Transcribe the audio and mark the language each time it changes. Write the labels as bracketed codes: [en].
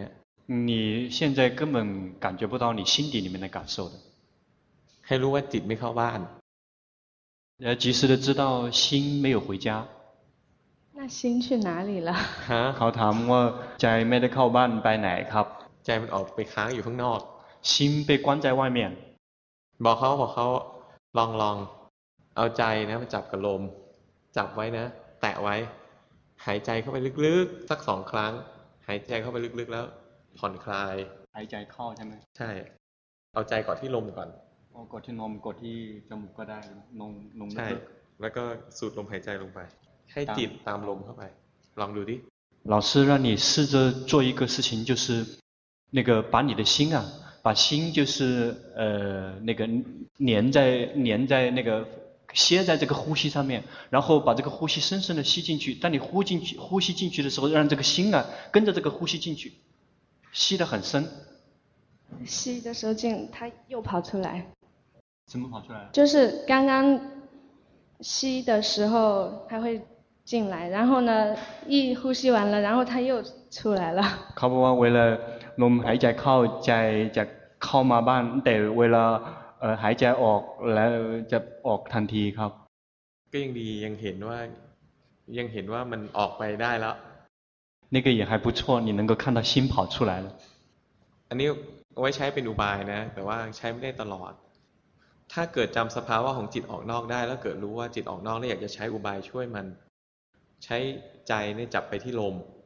[zh] 你现在根本感觉不到你心底里面的感受的 [th] ให้รู้ว่าจิตไม่เข้าบ้าน [zh] 要及时的知道心没有回家那心去哪里了 [th] เขาถามว่าใจไม่ได้เข้าบ้านไปไหนครับ ใจมันออกไปค้างอยู่ข้างนอก [zh] 心被关在外面 [th] บอกเขาลองเอาใจนะมาจับกับลมจับไว้นะแตะไว้หายใจเข้าไปลึกๆสักสองครั้งหายใจเข้าไปลึกๆแล้วผ่อนคลาย หายใจเข้าใช่ไหม ใช่เอาใจกดที่ลมก่อน กดที่ลมกดที่จมูกก็ได้ลง ใช่แล้วก็สูดลมหายใจลงไปให้จิตตามลมเข้าไปลองดูดิ [zh] 老师让你试着做一个事情就是那个把你的心啊，把心就是那个粘在那个歇在这个呼吸上面，然后把这个呼吸深深的吸进去。当你呼吸进去的时候，让这个心啊跟着这个呼吸进去，吸得很深。吸的时候进，它又跑出来。怎么跑出来？就是刚刚吸的时候它会进来，然后呢一呼吸完了，然后它又出来了。靠不完为了龙还在靠在靠马办得为了 [th] หายใจออกแล้วจะออกทันทีครับ ก็ยังดียังเห็นว่ายังเห็นว่ามันออกไปได้แล้ว [zh] 那个也还不错你能够看到心跑出来了 [th] อันนี้ไว้ใช้เป็นอุบายนะแต่ว่าใช้ไม่ได้ตลอดถ้าเกิดจำสภาวะของจิตออกนอกได้แล้วเกิดรู้ว่าจิตออกนอกแล้วอยากจะใช้อุบายช่วยมันใช้ใจเนี่ยจับไปที่ลม